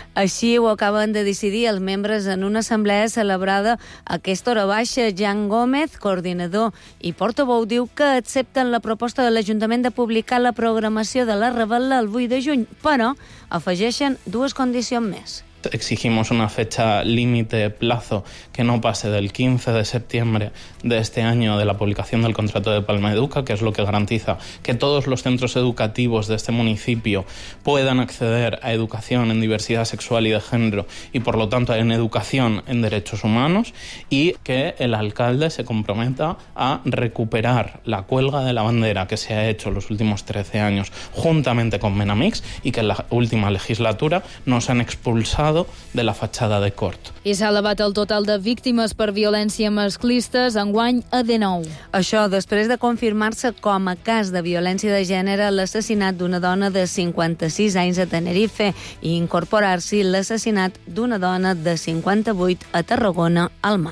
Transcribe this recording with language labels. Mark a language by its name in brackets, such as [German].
[Catalan] Així ho acaben de decidir els membres en una assemblea celebrada a aquesta hora baixa. Jan Gómez, coordinador i portaveu, diu que accepten la proposta de l'Ajuntament de publicar la programació de la revetlla el 8 de juny, però afegeixen 2 condicions més. [Spanish] Exigimos una fecha límite de plazo que no pase del 15 de septiembre de este año de la publicación del contrato de Palma Educa, que es lo que garantiza que todos los centros educativos de este municipio puedan acceder a educación en diversidad sexual y de género y, por lo tanto, en educación en derechos humanos, y que el alcalde se comprometa a recuperar la cuelga de la bandera que se ha hecho los últimos 13 años juntamente con Menamix y que en la última legislatura nos han expulsado de la fachada de Cort. [Catalan] I s'ha elevat el total de víctimes per violència masclista enguany a 19. Això després de confirmar-se com a cas de violència de gènere l'assassinat d'una dona de 56 anys a Tenerife i incorporar-s'hi l'assassinat d'una dona de 58 a Tarragona al mar.